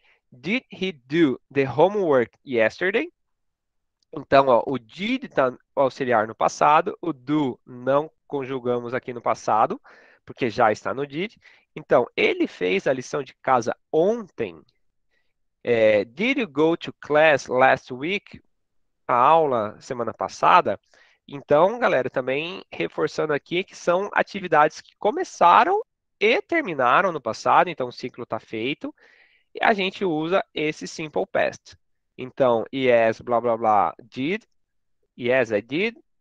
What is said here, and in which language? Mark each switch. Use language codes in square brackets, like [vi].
[en] Did he do the homework yesterday? [pt] Então, ó, o did está auxiliar no passado, o do não conjugamos aqui no passado, porque já está no did. Então, ele fez a lição de casa ontem. [en] É, did you go to class last week? [pt] A aula semana passada. Então, galera, também reforçando aqui que são atividades que começaram e terminaram no passado, então o ciclo está feito. E a gente usa esse simple past. Então, yes, blá blá blá, did. [en] Yes, I did.